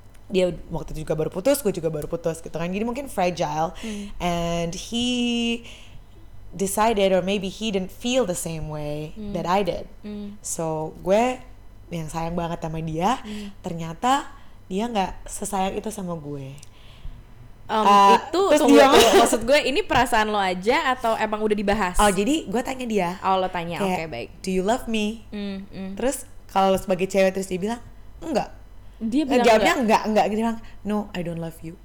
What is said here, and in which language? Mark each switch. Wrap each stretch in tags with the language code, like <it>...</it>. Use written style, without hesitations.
<id>Dia waktu itu juga baru putus, gue juga baru putus gitu kan. Jadi mungkin fragile.</id> <en>And he decided, or maybe he didn't feel the same way that I did.</en> <id>So gue yang sayang banget sama dia, ternyata dia gak sesayang itu sama gue. Itu tunggu. Maksud gue ini perasaan lo aja atau emang udah dibahas? Oh jadi gue tanya dia. Oh lo tanya, oke okay, baik.</id> <en>Do you love me?</en> <id>Terus kalau sebagai cewek terus dia bilang enggak. Dia bilang jawabnya enggak, dia bilang</id> <en>no I don't love you.</en>